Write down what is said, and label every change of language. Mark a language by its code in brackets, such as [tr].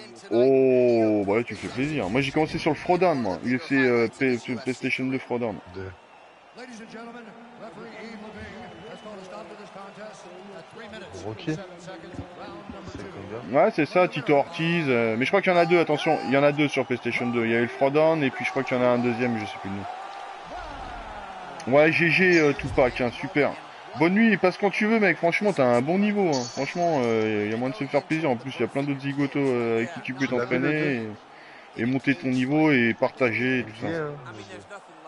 [fr] Oh, bah là, tu fais plaisir. Moi j'ai commencé sur le Frodan, moi. UFC PlayStation 2 Frodan. [en] Ladies and gentlemen, referee Eve Levine has called a stop to this contest at 3 minutes and 7 seconds, round number [fr] 2. Ouais, c'est ça, Tito Ortiz. Mais je crois qu'il y en a deux, attention, il y en a deux sur PlayStation 2. Il y a eu le Frodon et puis je crois qu'il y en a un deuxième, je sais plus le nom. Ouais, GG Tupac, hein, super. Bonne nuit, passe quand tu veux, mec. Franchement, t'as un bon niveau. Hein. Franchement, y a moyen de se faire plaisir. En plus, il y a plein d'autres zigotos avec qui tu peux t'entraîner et monter ton niveau et partager et tout ça.